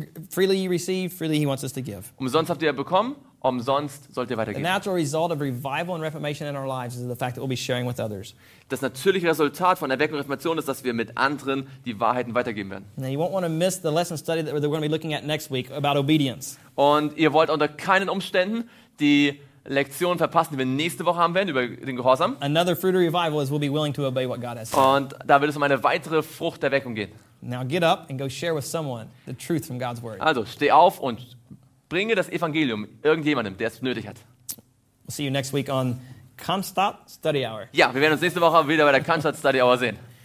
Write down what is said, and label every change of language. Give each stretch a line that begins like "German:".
English: Freely you receive, freely he wants us to give.
German: Umsonst habt ihr bekommen, umsonst sollt ihr weitergeben.
English: The natural result of revival and reformation in our lives is the fact that we'll be sharing with others.
German: Das natürliche Resultat von Erweckung und Reformation ist, dass wir mit anderen die Wahrheiten weitergeben werden.
English: Now you won't want to miss the lesson study that we're going to be looking at next week about obedience.
German: Und ihr wollt unter keinen Umständen die Lektion verpassen, die wir nächste Woche haben werden, über den Gehorsam.
English: Another fruit of revival is we'll be willing to obey what God has said.
German: Und da wird es um eine weitere Frucht der Erweckung gehen.
English: Now get up and go share with someone the truth from God's word.
German: Also, steh auf und bringe das Evangelium irgendjemandem, der es nötig hat.
English: We'll see you next week on Konstanz Study Hour.
German: Ja, wir werden uns nächste Woche wieder bei der Konstanz Study Hour sehen.